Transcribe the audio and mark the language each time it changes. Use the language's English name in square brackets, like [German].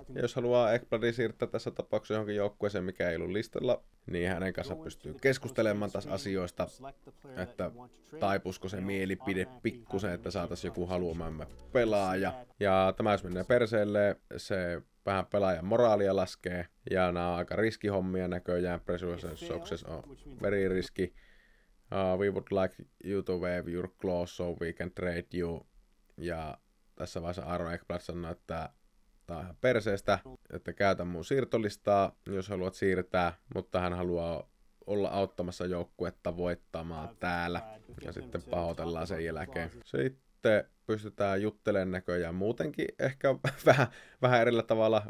[Finnish] Ja jos haluaa Ekblad siirtää tässä tapauksessa johonkin joukkueeseen, mikä ei ollut listalla, niin hänen kanssa pystyy keskustelemaan tässä asioista, että taipuisiko se mielipide pikkusen, että saataisiin joku haluamamme pelaaja. Ja tämä jos menee perseelle, se vähän pelaajan moraalia laskee, ja nämä on aika riskihommia näköjään. [English] Pressure success on very risky. We would like you to waive your clause so we can trade you. [Finnish] Ja tässä vaiheessa Aaron Ekblad sanoi, että tämä on ihan perseestä, että käytä mun siirtolistaa, jos haluat siirtää, mutta hän haluaa olla auttamassa joukkuetta voittamaan täällä. Ja sitten pahoitellaan sen jälkeen. Sitten pystytään juttelemaan näköjään muutenkin ehkä vähän eri tavalla.